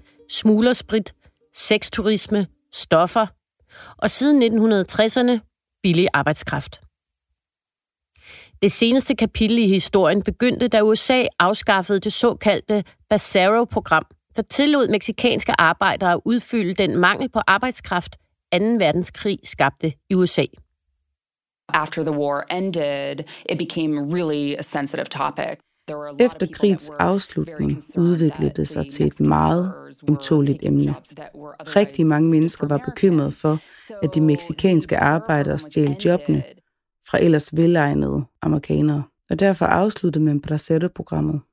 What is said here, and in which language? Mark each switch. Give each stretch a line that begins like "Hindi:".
Danish: Smuglersprit, sexturisme, stoffer, og siden 1960'erne billig arbejdskraft. Det seneste kapitel i historien begyndte, da USA afskaffede det såkaldte Bassero-program, der tillod meksikanske arbejdere at udfylde den mangel på arbejdskraft, 2. verdenskrig skabte i USA.
English: after the war ended, it became really a sensitive topic.
Danish: Efter krigens afslutning udviklede det sig til et meget ømtåligt emne. Rigtig mange mennesker var bekymrede for, at de meksikanske arbejdere stjal jobbene fra ellers velegnede amerikanere. Og derfor afsluttede man Bracero-programmet.